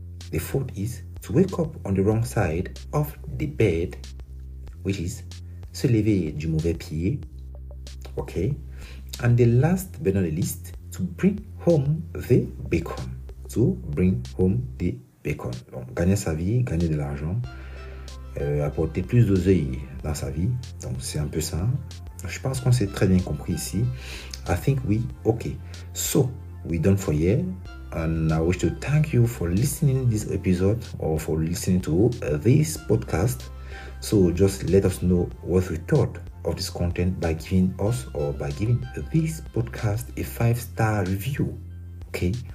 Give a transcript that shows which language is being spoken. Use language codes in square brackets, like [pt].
[en] The fourth is to wake up on the wrong side of the bed, which is [fr] se lever du mauvais pied. [en] Okay, and the last but not the least, to bring home the bacon. To bring home the bacon. [fr] Donc, gagner sa vie, gagner de l'argent, apporter plus d'oseille dans sa vie. Donc, c'est un peu ça. Je pense qu'on s'est très bien compris ici. [en] I think we, okay. So, we're done for here. And I wish to thank you for listening to this episode or for listening to this podcast. So, just let us know what you thought of this content by giving us or by giving this podcast a 5-star review. Okay.